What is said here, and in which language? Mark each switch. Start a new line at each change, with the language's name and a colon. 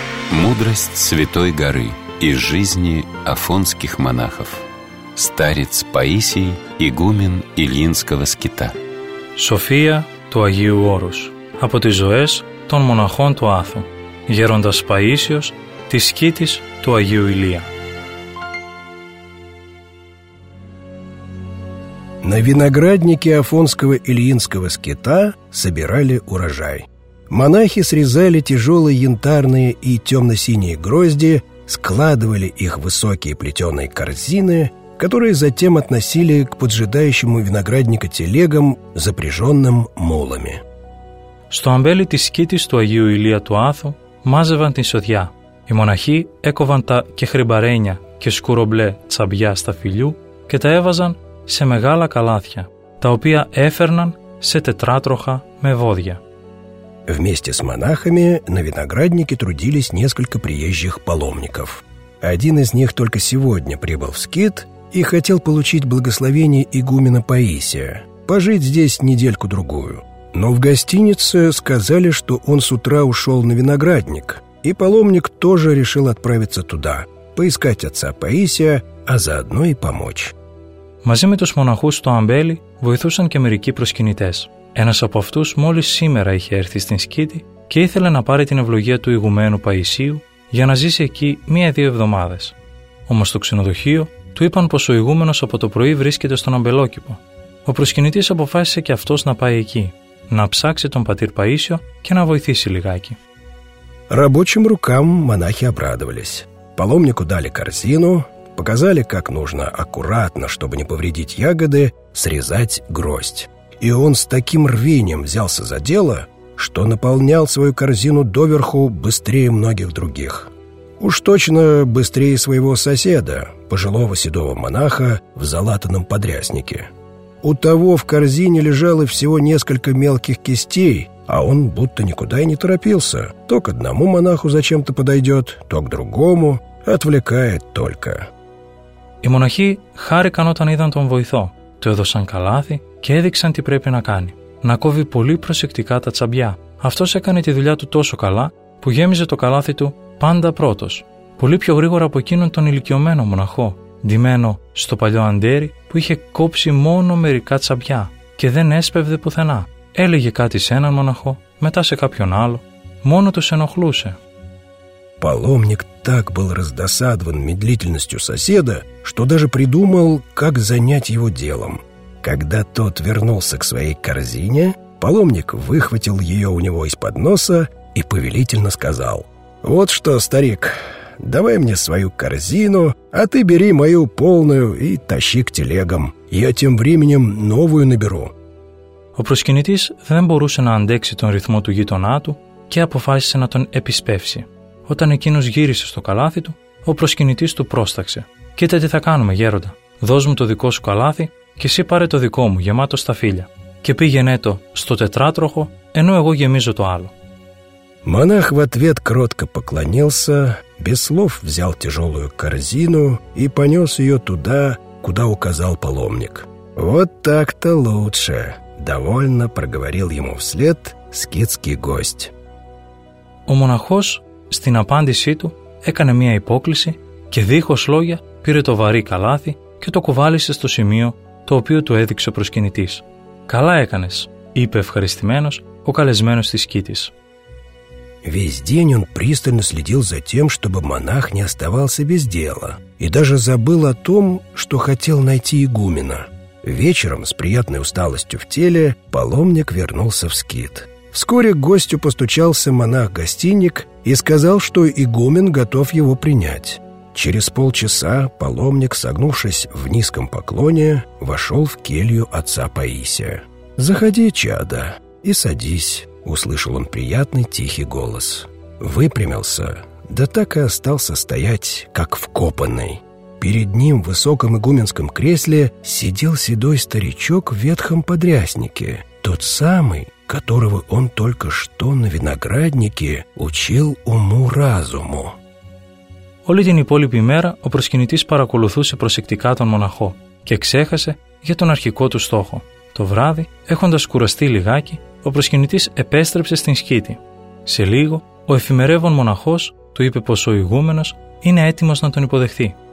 Russian: Мудрость Святой Горы и жизни афонских монахов. Старец Паисий, игумен Ильинского скита.
Greek: Σοφία του Αγίου Όρους. Από τις ζωές των μοναχών του Άθου. Γέροντας Παΐσιος της σκήτης του Αγίου Ηλία.
Russian: На винограднике Афонского Ильинского скита собирали урожай. Монахи срезали тяжелые янтарные и темно-синие грозди, складывали их в высокие плетеные корзины, которые затем относили к поджидающему виноградника телегам, запряженным мулами.
Greek: Στο αμπέλι της σκήτης του Αγίου Ηλία του Άθου μάζευαν την σοδιά. Οι μοναχοί έκοβαν τα κεχριμπαρένια και σκουρομπλέ τσαμπιά στα φιλιού και τα έβαζαν σε μεγάλα καλάθια, τα οποία έφερναν σε τετράτροχα με βόδια.
Russian: Вместе с монахами на винограднике трудились несколько приезжих паломников. Один из них только сегодня прибыл в скит и хотел получить благословение игумена Паисия, пожить здесь недельку-другую. Но в гостинице сказали, что он с утра ушел на виноградник, и паломник тоже решил отправиться туда, поискать отца Паисия, а заодно и помочь.
Greek: Мази με τους μοναχούς στο αμπέλι βοηθούσαν και μερικοί προσκυνητές. Ένας από αυτούς μόλις σήμερα είχε έρθει στην σκήτη και ήθελε να πάρει την ευλογία του ηγουμένου Παϊσίου για να ζήσει εκεί 1-2 εβδομάδες. Όμως στο ξενοδοχείο του είπαν πως ο ηγούμενος από το πρωί βρίσκεται στον αμπελόκηπο. Ο προσκυνητής αποφάσισε και αυτός να πάει εκεί, να ψάξει τον πατήρ Παΐσιο και να βοηθήσει λιγάκι.
Russian: Рабочим рукам монахи обрадовались. Паломнику дали корзину, показали, как нужно аккуратно, чтобы не повредить ягоды, срезать гроздь. И он с таким рвением взялся за дело, что наполнял свою корзину доверху быстрее многих других. Уж точно быстрее своего соседа, пожилого седого монаха в залатанном подряснике. У того в корзине лежало всего несколько мелких кистей, а он будто никуда и не торопился. То к одному монаху зачем-то подойдет, то к другому, отвлекает только. И монахи
Greek: харикан όταν είδαν τον βοηθό. Του έδωσαν καλάθι και έδειξαν τι πρέπει να κάνει. Να κόβει πολύ προσεκτικά τα τσαμπιά. Αυτός έκανε τη δουλειά του τόσο καλά που γέμιζε το καλάθι του πάντα πρώτος. Πολύ πιο γρήγορα από εκείνον τον ηλικιωμένο μοναχό, ντυμένο στο παλιό αντέρι που είχε κόψει μόνο μερικά τσαμπιά και δεν έσπευδε πουθενά. Έλεγε κάτι σε έναν μοναχό, μετά σε κάποιον άλλο. Μόνο τους ενοχλούσε.
Russian: Паломник так был раздосадован медлительностью соседа, что даже придумал, как занять его делом. Когда тот вернулся к своей корзине, паломник выхватил ее у него из-под носа и повелительно сказал: «Вот что, старик, давай мне свою корзину, а ты бери мою полную и тащи к телегам. Я тем временем новую наберу».
Greek: Ο προσκυνητής δεν μπορούσε να αντέξει τον ρυθμό του γείτονά του και αποφάσισε να τον επισπεύσει. Όταν εκείνος γύρισε στο καλάθι του, ο προσκυνητής του πρόσταξε: «Κοίτα τι θα κάνουμε, γέροντα. Δώσ' μου το δικό σου καλάθι και εσύ πάρε το δικό μου γεμάτο σταφύλια. Και πήγαινε το στο τετράτροχο, ενώ εγώ γεμίζω το άλλο».
Russian: Монах в ответ кротко поклонился, без слов взял тяжелую корзину и понес ее туда, куда указал паломник. «Вот так-то лучше», — довольно проговорил ему вслед скитский гость.
Greek: Ο монахός στην απάντησή του έκανε μία υπόκληση και δίχως λόγια πήρε το βαρύ καλάθι και το κουβάλισε στο σημείο το οποίο του έδειξε ο προσκυνητής. «Καλά έκανες», είπε ευχαριστημένος ο καλεσμένος της Σκήτης.
Russian: Весь день он пристально следил за тем, чтобы монах не оставался без дела, и даже забыл о том, что хотел найти игумена. Вечером, с приятной усталостью в теле, паломник вернулся в скит. Вскоре к гостю постучался монах-гостинник и сказал, что игумен готов его принять. Через полчаса паломник, согнувшись в низком поклоне, вошел в келью отца Паисия. «Заходи, чадо, и садись». Услышал он приятный тихий голос. Выпрямился, да так и остался стоять, как вкопанный. Перед ним в высоком игуменском кресле сидел седой старичок в ветхом подряснике, тот самый, которого он только что на винограднике учил уму-разуму.
Greek: Όλη την υπόλοιπη мера ο προσκυνητής παρακολουθούσε προσεκτικά τον μοναχό και ξέχασε για τον αρχικό του στόχο. Το βράδυ, έχοντας κουραστεί λιγάκι, ο προσκυνητής επέστρεψε στην σκήτη. Σε λίγο, ο εφημερεύων μοναχός του είπε πως ο ηγούμενος είναι έτοιμος να τον υποδεχθεί.